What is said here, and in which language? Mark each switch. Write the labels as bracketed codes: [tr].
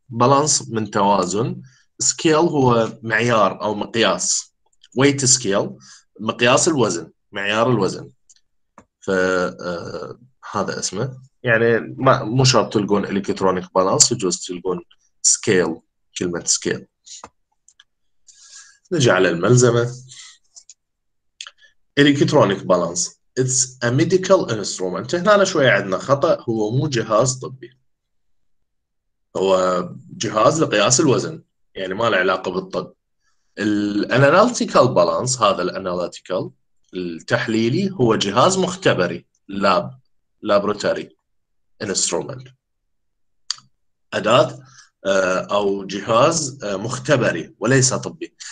[ar] بالانس من توازن، سكيل هو معيار او مقياس، ويت سكيل مقياس الوزن، معيار الوزن. ف هذا اسمه، يعني مو شرط تلقون الكترونيك بالانس، يجوز تلقون سكيل، كلمه سكيل. نجي على الملزمه. [en] Electronic balance It's a medical instrument. [ar] هنا شوية عندنا خطأ، هو مو جهاز طبي، هو جهاز لقياس الوزن، يعني ما له علاقة بالطب. الاناليتيكال بالانس، هذا الاناليتيكال التحليلي، هو جهاز مختبري، لاب لابراتوري انسترومنت، أداة أو جهاز مختبري وليس طبي.